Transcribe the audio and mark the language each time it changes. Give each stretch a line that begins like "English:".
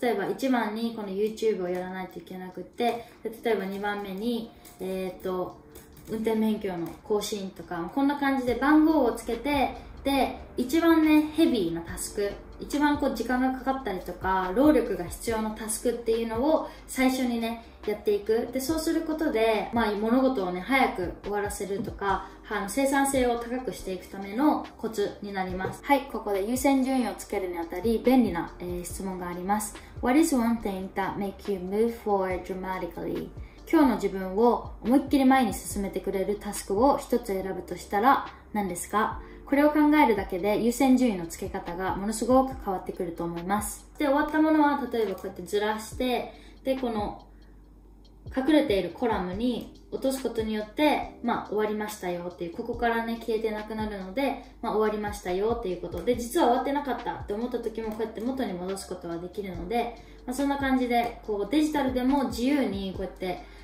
Japanese: 例えば1番にこの YouTube をやらないといけなくって、で例えば2番目に運転免許の更新とか、こんな感じで番号をつけて、で一番ねヘビーなタスク、一番こう時間がかかったりとか労力が必要なタスクっていうのを最初にねやっていく。でそうすることで、まあ、物事をね早く終わらせるとか、生産性を高くしていくためのコツになります。はい。ここで優先順位をつけるにあたり便利な、質問があります。
English: What is one thing that makes you move forward dramatically?
Japanese: 今日の自分を思いっきり前に進めてくれるタスクを一つ選ぶとしたら何ですか？これを考えるだけで優先順位の付け方がものすごく変わってくると思います。で、終わったものは例えばこうやってずらして、で、この隠れているコラムに落とすことによって、まあ終わりましたよっていう、ここからね消えてなくなるので、まあ終わりましたよっていうことで、実は終わってなかったって思った時もこうやって元に戻すことはできるので、まあそんな感じで、こうデジタルでも自由にこうやって